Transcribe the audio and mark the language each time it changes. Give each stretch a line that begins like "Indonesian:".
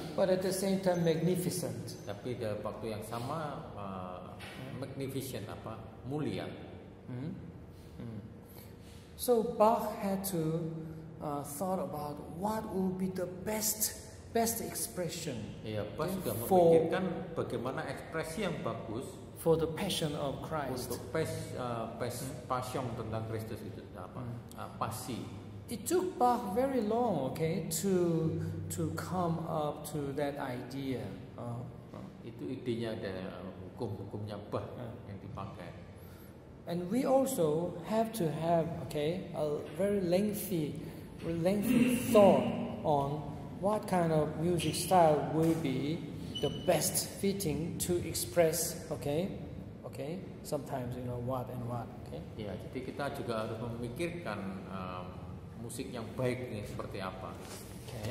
English: But at the same time, magnificent.
Indonesian: Tapi di waktu yang sama, magnificent apa mulia.
English: So Bach had to thought about what would be the best expression.
Indonesian: Iya, Bach juga memikirkan bagaimana ekspresi yang bagus.
English: For the passion of Christ.
Indonesian: Untuk passion tentang Kristus itu apa? Pasi.
English: It took Bach very long, okay, to come up to that idea.
Indonesian: Itu idenya ada hukum-hukumnya Bach yang dipakai.
English: And we also have to have, okay, a very lengthy thought on what kind of music style will be the best fitting to express, okay. Sometimes you know what and what, okay.
Indonesian: Yeah, jadi kita juga harus memikirkan musik yang baik ini seperti apa, okay.